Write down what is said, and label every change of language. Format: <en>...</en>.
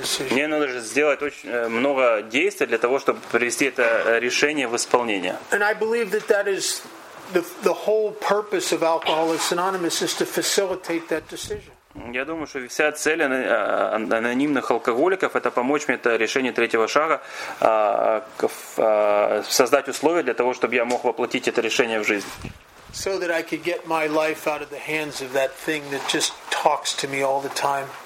<ru>Мне надо же сделать очень много действий для того, чтобы привести это решение в исполнение.</ru> <en>And I believe that that is the whole purpose of Alcoholics Anonymous is to facilitate that decision.</en> <ru>Я думаю, что вся цель анонимных алкоголиков это помочь мне это решение третьего шага создать условия для того, чтобы я мог воплотить это решение в жизнь.</ru> <en>So that I could get my life out of the hands of that thing that just talks to me all the time.</en>